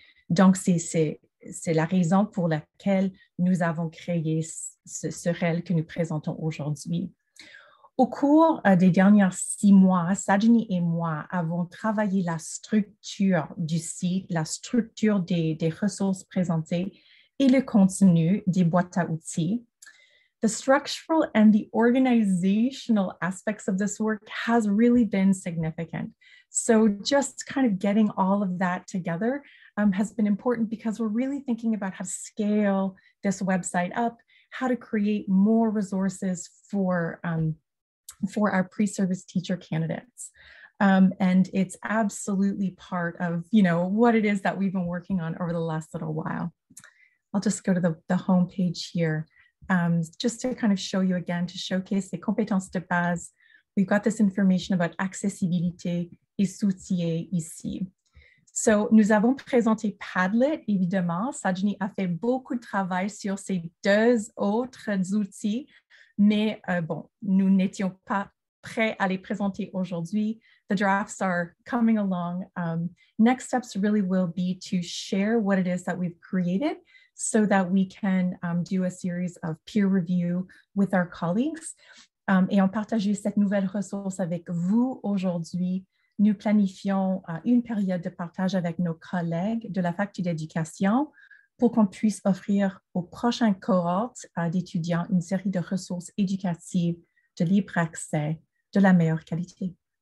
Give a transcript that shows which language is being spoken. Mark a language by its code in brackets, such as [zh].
[fr] Donc, c'est la raison pour laquelle nous avons créé ce REL que nous présentons aujourd'hui. Au cours des dernières 6 mois, Sajni et moi avons travaillé la structure du site, la structure des ressources présentées et le contenu des boîtes à outils. [en] The structural and the organizational aspects of this work has really been significant. So just kind of getting all of that together has been important because we're really thinking about how to scale this website up, how to create more resources for our pre-service teacher candidates. And it's absolutely part of, you know, what it is that we've been working on over the last little while. I'll just go to the homepage here. Just to kind of show you again, to showcase the [fr] compétences de base, [en] we've got this information about [fr] accessibilité et soutien ici. So, nous avons présenté Padlet, évidemment. Sajni a fait beaucoup de travail sur ces deux autres outils, mais bon, nous n'étions pas prêts à les présenter aujourd'hui. [en] The drafts are coming along. Next steps really will be to share what it is that we've created so that we can do a series of peer review with our colleagues. [fr] Et en partager cette nouvelle ressource avec vous aujourd'hui, nous planifions une période de partage avec nos collègues de la Faculté d'éducation pour qu'on puisse offrir aux prochaines cohortes d'étudiants une série de ressources éducatives de libre accès de la meilleure qualité.